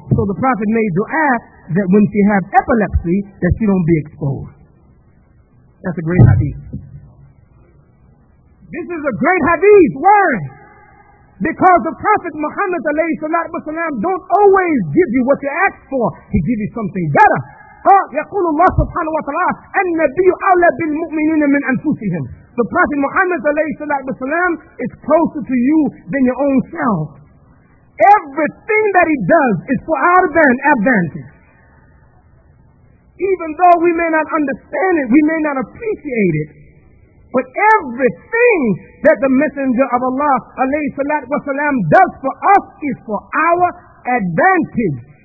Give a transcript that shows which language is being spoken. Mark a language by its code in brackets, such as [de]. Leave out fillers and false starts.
[en] So the Prophet made dua that when she have epilepsy, that she don't be exposed. That's a great hadith. This is a great hadith. Why? Because the Prophet Muhammad alayhi salatu wa salam don't always give you what you ask for. He gives you something better. [ar] يقول الله سبحانه وتعالى النبي أولى بالمؤمنين من أنفسهم. [en] The Prophet Muhammad عليه السلام is closer to you than your own self. Everything that he does is for our advantage. even though we may not understand it, we may not appreciate it, but everything that the Messenger of Allah, alayhi salatu wasalam, does for us is for our advantage.